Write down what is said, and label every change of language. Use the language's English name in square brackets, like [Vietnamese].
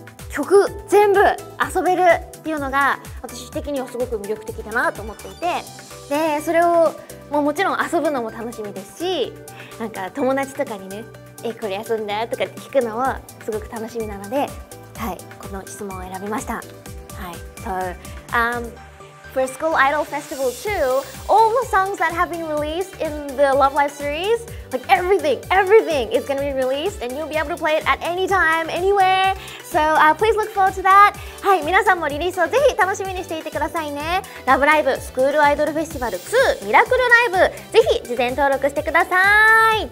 [Japanese] 曲全部遊べるっていうのが私的にはすごく魅力的だなと思っていて、でそれを もちろん遊ぶのも楽しみですし、なんか友達とかにね、これ遊んだとか聞くのもすごく楽しみなので、はい、この質問を選びました。 [English] はい、so, for School Idol Festival 2, all the songs that have been released in the Love Live series, like everything is going to be released and you'll be able to play it at any time, anywhere. So, please look forward to that. [Japanese] はい、皆さんもリリースをぜひ楽しみにしていてくださいね。ラブライブスクールアイドルフェスティバル2ミラクルライブ、ぜひ事前登録してください。